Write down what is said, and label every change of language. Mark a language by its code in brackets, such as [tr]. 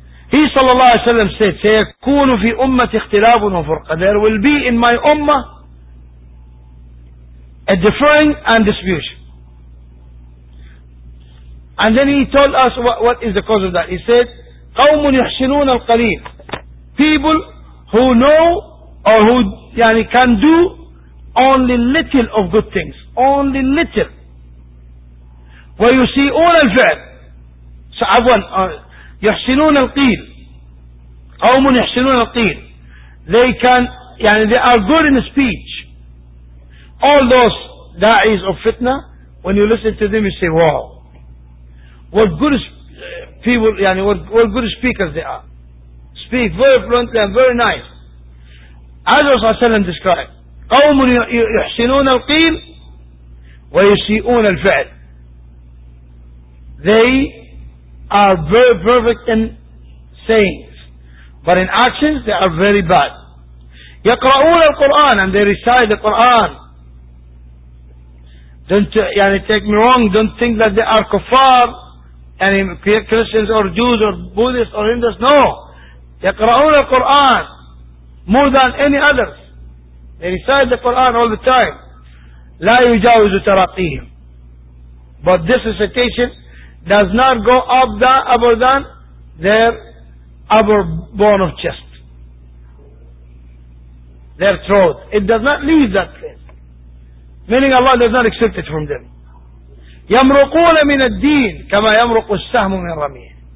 [en] He sallallahu alayhi wa sallam said, [ar] سَيَكُونُ فِي أُمَّةِ اخْتِلَابٌ وَفُرْقَةٌ. [en] There will be in my ummah a differing and dispute. And then he told us what is the cause of that. He said, [ar] قَوْمٌ يُحْسِنُونَ الْقَلِيلِ. [en] People who know or who يعني, can do only little of good things. Only little. [ar] وَيُسِيئُونَ الْفِعْلِ. [en] So, [ar] يحسنون القيل. قوم يحسنون القيل. [en] They can, يعني they are good in speech. All those da'is of fitna, when you listen to them, you say, wow. What good people, يعني what good speakers they are. Speak very fluently and very nice. [ar] As Rasul صلى الله عليه وسلم described, قوم يحسنون القيل ويسيئون الفعل. [en] They are very perfect in sayings. But in actions, they are very bad. [ar] يقرؤون القرآن, [en] and they recite the Quran. Don't يعني, take me wrong, don't think that they are kuffar, any Christians or Jews or Buddhists or Hindus. No. [ar] يقرؤون القرآن [en] more than any others. They recite the Quran all the time. [ar] لا يجاوز تراقيهم. [en] But this recitation does not go up that other than their upper bone of chest. Their throat. It does not leave that place. Meaning Allah does not accept it from them. [ar] يمرقون من الدين كما يمرق السهم من رميه.